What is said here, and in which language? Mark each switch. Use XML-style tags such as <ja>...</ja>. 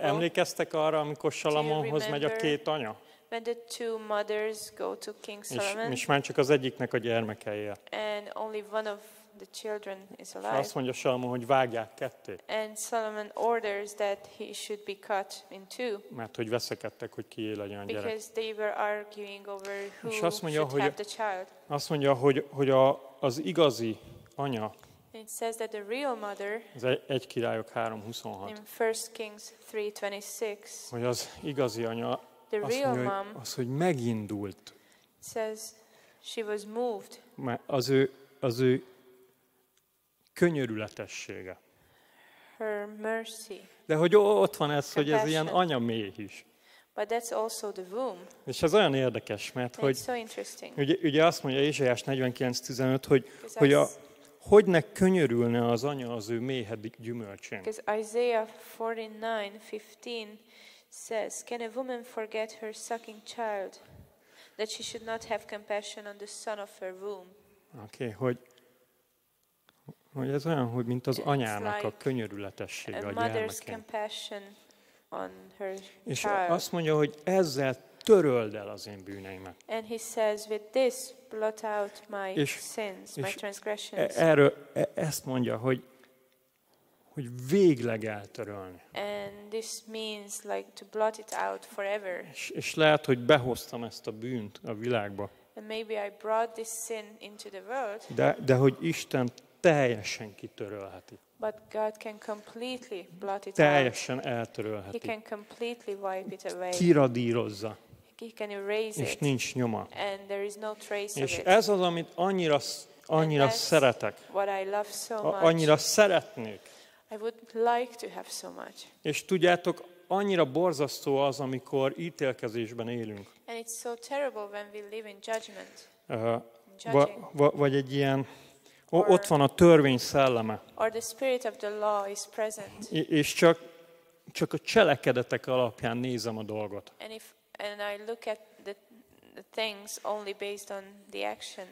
<hu>Emlékeztek arra, amikor Salamonhoz megy a két anya?</hu> <en>When the two mothers go to King Solomon.</en> <hu>És már csak az egyiknek a gyermeke él.</hu> <en>And only one of the children is alive.</en> <hu>Azt mondja Salomon, hogy vágják ketté.</hu> <en>And Solomon orders that he should be cut in two.</en> <hu>Mert hogy veszekedtek, hogy kié legyen a gyerek.</hu> <en>Because they were arguing over who should have the child.</en> <hu>Azt mondja, hogy az igazi anya.</hu> <en>It says that the real mother.</en> <hu>Ez egy Királyok 3:26.</hu> <en>In 1 Kings 3:26.</en> <hu>Hogy az igazi anya.</hu> <en>The real</en> <hu>mondja,</hu> <en>mom.</en> <hu>Az, hogy megindult.</hu> <en>Says she was moved.</en> <hu>Az ő könyörületessége.</hu> <en>Her mercy.</en> <hu>De hogy ott van ez, compassion. Hogy ez ilyen anya méh is.</hu> <en>But that's also the womb.</en> <hu>És ez olyan érdekes, mert hogy</hu> <en>so interesting.</en> <hu>Ugye azt mondja Ézsaiás 49:15, hogy ne könyörülne az anya az ő méhed gyümölcsén.</hu> <en>Because Isaiah 49:15 says, can a woman forget her sucking child that she should not have compassion on the son of her womb?</en> <hu>Okay, hogy ez olyan, hogy mint az</hu> <en>it's</en> <hu>anyának</hu> <en>like</en> <hu>a könyörületessége a gyermekén. És azt mondja, hogy ezzel töröld el az én bűneimet.</hu> <en>And he says, with this blot out my sins, my transgressions.</en> <hu>Erről ezt mondja, hogy végleg eltörölni.</hu> <en>And this means like to blot it out forever.</en> <hu>És lehet, hogy behoztam ezt a bűnt a világba.</hu> <en>And maybe I brought this sin into the world.</en> <hu>De hogy Isten teljesen kitörölheti.</hu> <en>But God can completely blot it out.</en> <hu>Teljesen eltörölheti.</hu> <en>He can completely wipe it away.</en> <hu>Kiradírozza.</hu> <en>He can erase it.</en> <hu>És nincs nyoma.</hu> <en>And there is no trace of it.</en> <hu>És ez az, amit annyira Annyira szeretek. Annyira szeretnék.</hu> <en>I would like to have so much.</en> <hu>És tudjátok, annyira borzasztó az, amikor ítélkezésben élünk.</hu> <en>And it's so terrible when we live in judgment.</en> <hu>Vagy egy ilyen, ott van a törvény szelleme.</hu> <en>Or the spirit of the law is present.</en> <hu>És csak a cselekedetek alapján nézem a dolgot.</hu> <en>And if and I look at the things only based on the action.</en>